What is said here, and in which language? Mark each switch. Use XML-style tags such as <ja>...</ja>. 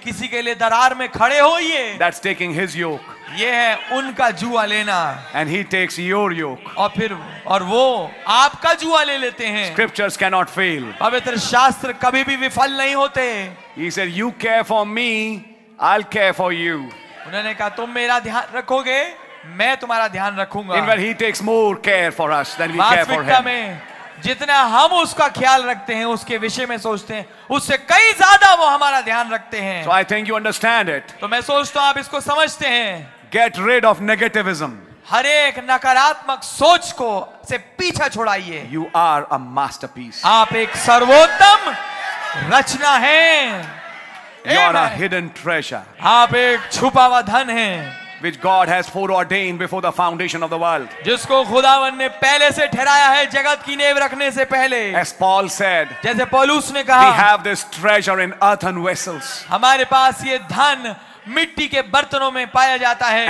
<hi>किसी के लिए दरार में खड़े होइए.</hi> <en>That's taking his yoke.</en> <hi>ये है उनका जुआ लेना.</hi> <en>And he takes your yoke.</en> <hi>और वो आपका जुआ ले लेते हैं.</hi> <en>Scriptures cannot fail.</en> <hi>पवित्र शास्त्र कभी भी विफल नहीं होते.</hi> <en>He said, "You care for me, I'll care for you."</en> <hi>उन्होंने कहा, तुम मेरा ध्यान रखोगे, मैं तुम्हारा ध्यान रखूँगा.</hi> <en>In where he takes more care for us than we care for him.</en> <hi>जितना हम उसका ख्याल रखते हैं उसके विषय में सोचते हैं उससे कई ज्यादा वो हमारा ध्यान रखते हैं</hi> <en>So I think you understand it.</en> <hi>तो मैं सोचता हूं आप इसको समझते हैं</hi> <en>Get rid of negativism.</en> <hi>हर एक नकारात्मक सोच को से पीछा छोड़ाइए</hi> <en>You are a masterpiece.</en> <hi>आप एक सर्वोत्तम रचना हैं</hi> <en>You are a hidden treasure.</en> <hi>आप एक छुपा हुआ धन हैं</hi> <en>Which God has foreordained before the foundation of the world.</en> <hi>जिसको खुदावन ने पहले से ठहराया है जगत की नेव रखने से पहले.</hi> <en>As Paul said.</en> <hi>जैसे पौलुस ने कहा.</hi> <en>We have this treasure in earthen vessels.</en> <hi>हमारे पास ये धन मिट्टी के बर्तनों में पाया जाता है.</hi>